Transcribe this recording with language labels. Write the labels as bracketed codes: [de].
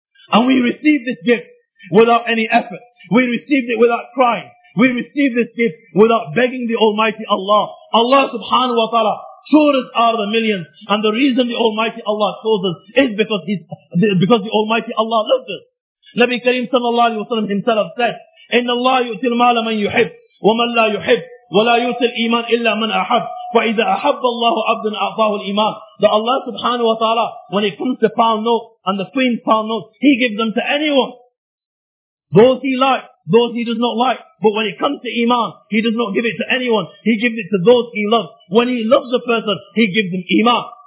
[en] And we received this gift without any effort. We received it without crying. We received this gift without begging the Almighty Allah. Allah subhanahu wa ta'ala chose us out of the millions. And the reason the Almighty Allah chose us is because the Almighty Allah loved us. [ar] Nabi Kareem sallallahu alayhi wa sallam [en] himself said, [ar] إِنَّ اللَّهَ يُؤْتِي الْمَالَ مَنْ يُحِبُّ وَمَنْ لَا يُحِبُّ وَلَا يُؤْتِي الْإِيمَانَ إِلَّا مَنْ أَحَبُّ فَإِذَا أَحَبَّ اللَّهُ عَبْدًا أَعْطَاهُ الْإِيمَانَ. [en] That Allah subhanahu wa ta'ala, when it comes to pound notes and the queen pound notes, He gives them to anyone. Those He likes, those He does not like. But when it comes to Iman, He does not give it to anyone. He gives it to those He loves. When He loves a person, He gives them Iman.